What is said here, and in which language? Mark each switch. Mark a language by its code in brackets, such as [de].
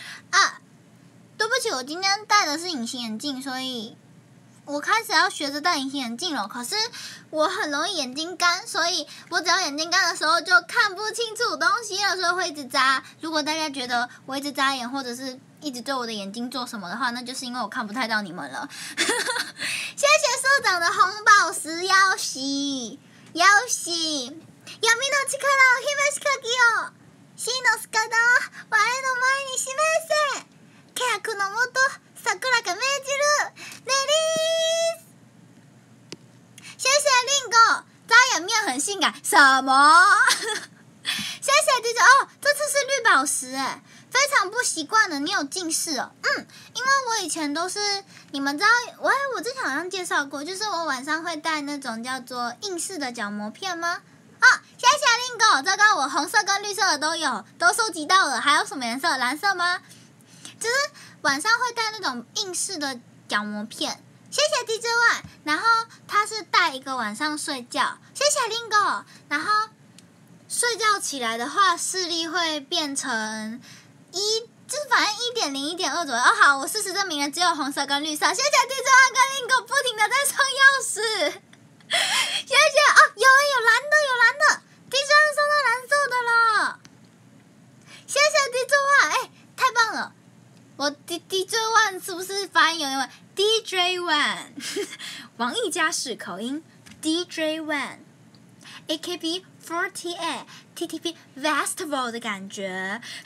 [zh] 啊，对不起，我今天戴的是隐形眼镜，所以我开始要学着戴隐形眼镜了。可是我很容易眼睛干，所以我只要眼睛干的时候就看不清楚东西了，所以会一直眨。如果大家觉得我一直眨眼或者是一直对我的眼睛做什么的话，那就是因为我看不太到你们了。谢谢社长的红宝石妖袭。 [ja] よし、闇の力を秘めし鍵を、真の塚田を我の前に示せ、契約のもと桜が命じる、レリース。 [zh] 谢谢リンゴ、眨眼面很性感、什么？谢谢弟弟哦，这次是绿宝石哎，非常不习惯的，你有近视哦。因为我以前都是，你们知道，我之前好像介绍过，就是我晚上会戴那种叫做硬式的角膜片吗？哦，谢谢 Lingo， 这个我红色跟绿色的都有，都收集到了。还有什么颜色？蓝色吗？就是晚上会戴那种硬式的角膜片。谢谢 DJ One， 然后他是戴一个晚上睡觉。谢谢 Lingo， 然后睡觉起来的话视力会变成一，就是反正 1.0 1.2 左右。哦，好，我事实证明了只有红色跟绿色。谢谢 DJ 和跟 Lingo 不停的在送钥匙，谢谢。哦，有有蓝的，有蓝的 DJ 送到蓝色的了，谢谢 DJ。哎，太棒了，我 DJ One 是不是发音有点问题？ DJ One 王艺嘉式口音 DJ One AKB 48 TTP Festival 的感觉。